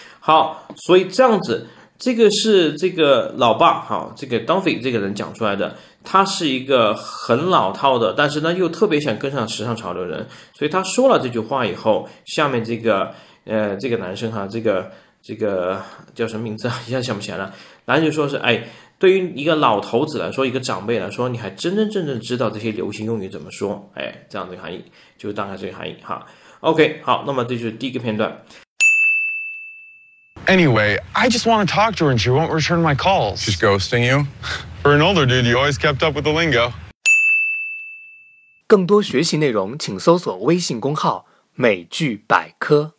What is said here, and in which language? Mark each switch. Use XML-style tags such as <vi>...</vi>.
<zh>好，所以这样子，这个是这个老爸，好，这个 Duffy 这个人讲出来的，他是一个很老套的，但是呢又特别想跟上时尚潮流的人，所以他说了这句话以后，下面这个这个男生哈，这个叫什么名字一下想不起来了，男生说是，哎，对于一个老头子来说，一个长辈来说，你还真真正正知道这些流行用语怎么说，哎，这样的含义，就大概这个含义哈。 OK， 好，那么这就是第一个片段。</zh> <en>Anyway, I just want to talk to her and she won't return my calls. She's ghosting you? For an older dude, you always kept up with the lingo.</en> <zh>更多学习内容请搜索微信公号美剧百科。</zh>